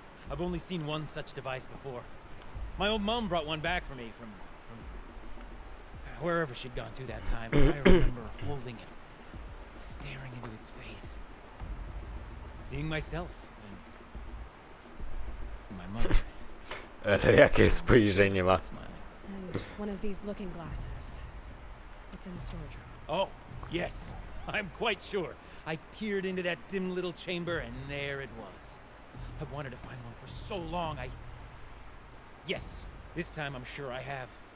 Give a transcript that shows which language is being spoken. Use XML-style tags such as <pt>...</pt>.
<en>I've only seen one such device before. My old mom brought one back for me from wherever she'd gone to that time. I remember holding it, staring into its face, seeing myself and my mother.</en> <pl>Ale jakie spojrzenie ma.</pl> <en>And one of these looking glasses. It's in the storage room. Oh, yes. I'm quite sure. I peered into that dim little chamber, and there it was. I've wanted to find one for so long, I... Yes, this time I'm sure I have.</en>